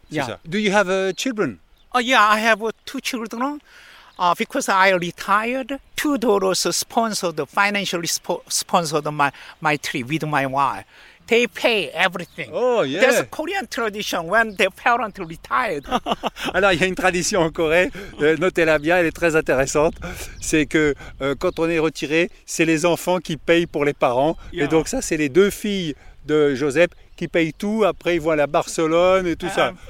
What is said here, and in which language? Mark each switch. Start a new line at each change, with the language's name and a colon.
French: C'est
English: yeah. Ça. Do you have children? Yeah, I have two children. Because I retired, two daughters sponsored, financially sponsored my trip with my wife. They pay everything. Oh, yeah. There's a Korean tradition when their parents retired.
French: Alors, il y a une tradition en Corée, notez-la bien, elle est très intéressante. C'est que quand on est retiré, c'est les enfants qui payent pour les parents.
English: Yeah.
French: Et donc, ça, c'est les deux filles de Joseph qui payent tout. Après, ils vont à la Barcelone et tout ça.